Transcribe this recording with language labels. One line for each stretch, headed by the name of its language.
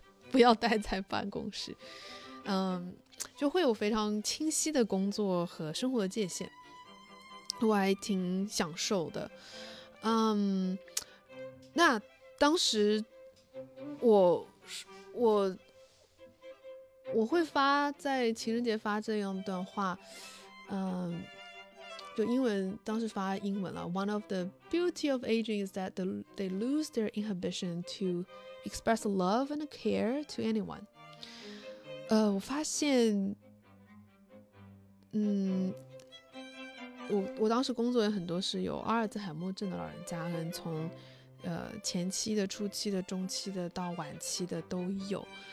Chinese: 不要待在办公室。就会有非常清晰的工作和生活的界限，我还挺享受的。那当时我会发在情人节发这样一段话，就英文，当时发英文了。
English: One of the beauty of aging is that they lose their inhibition to express love and care to anyone。
Chinese: 我发现我当时工作也很多是有阿尔兹海默症的老人家，人从前期的、初期的、中期的到晚期的都有。